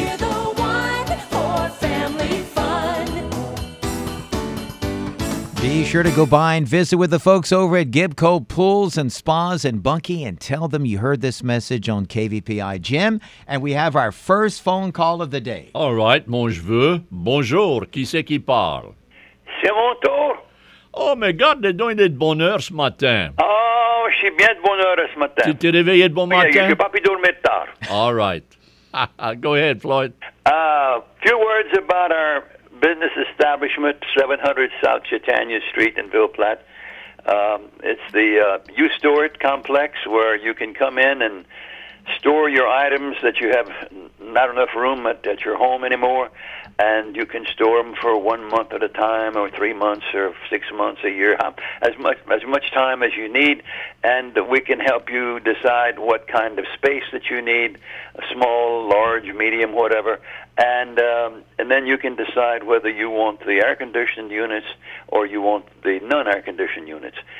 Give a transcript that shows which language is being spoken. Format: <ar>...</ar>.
<en>We're the one for family fun. Be sure to go by and visit with the folks over at Gibco Pools and Spas in Bunkie and tell them you heard this message on KVPI. Jim, and we have our first phone call of the day. All right,</en> <fr>mon cheveu. Bonjour. Qui c'est qui parle? C'est mon tour. Oh, mais garde, donc il est de bonne heure ce matin. Oh, je suis bien de bonne heure ce matin. Tu t'es réveillé de bon matin? Je n'ai pas pu dormir tard.</fr> <en>All right. Go ahead, Floyd. A few words about our business establishment, 700 South Chitanya Street in Ville Platte. It's the U Stewart complex where you can come in and store your items that you have not enough room at your home anymore, and you can store them for 1 month at a time, or 3 months, or 6 months, a year, as much time as you need, and we can help you decide what kind of space that you need, small, large, medium, whatever, and then you can decide whether you want the air-conditioned units or you want the non-air-conditioned units.</en>